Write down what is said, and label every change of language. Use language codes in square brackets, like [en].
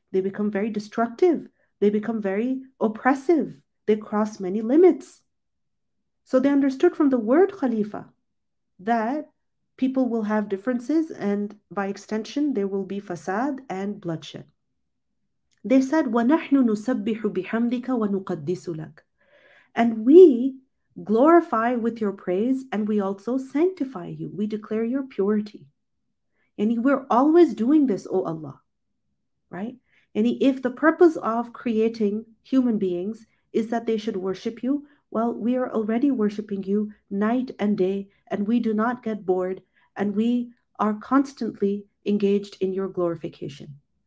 [en] They become very destructive. They become very oppressive. They cross many limits. So they understood from the word Khalifa that people will have differences, and by extension, there will be fasad and bloodshed. They said, [ar] وَنَحْنُ نُسَبِّحُ بِحَمْدِكَ وَنُقَدِّسُ لَكَ. [en] And we glorify with your praise, and we also sanctify you. We declare your purity. And we're always doing this, O Allah. Right? And if the purpose of creating human beings is that they should worship you, well, we are already worshiping you night and day, and we do not get bored, and we are constantly engaged in your glorification.